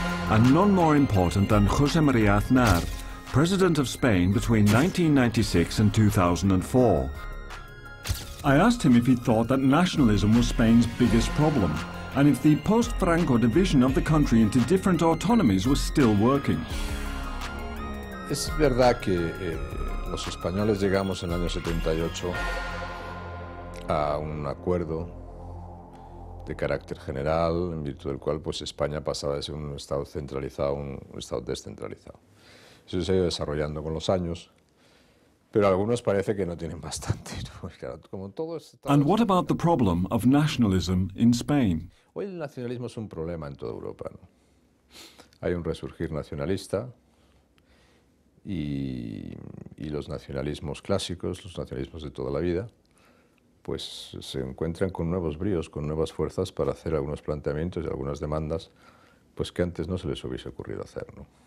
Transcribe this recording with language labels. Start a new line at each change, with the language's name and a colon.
English: And none more important than José María Aznar, president of Spain between 1996 and 2004. I asked him if he thought that nationalism was Spain's biggest problem, and if the post-Franco division of the country into different autonomies was still working.
Spanish: Es verdad que los españoles llegamos en el año 78 a un acuerdo de carácter general, en virtud del cual pues, España pasaba de ser un estado centralizado a un estado descentralizado. Eso se ha ido desarrollando con los años, pero a algunos parece que no tienen bastante, ¿no? Pues claro, como todo es...
English: And what about the problem of nationalism in Spain?
Spanish: Hoy el nacionalismo es un problema en toda Europa, ¿no? Hay un resurgir nacionalista, y los nacionalismos clásicos, los nacionalismos de toda la vida, pues se encuentran con nuevos bríos, con nuevas fuerzas para hacer algunos planteamientos y algunas demandas pues que antes no se les hubiese ocurrido hacer, ¿no?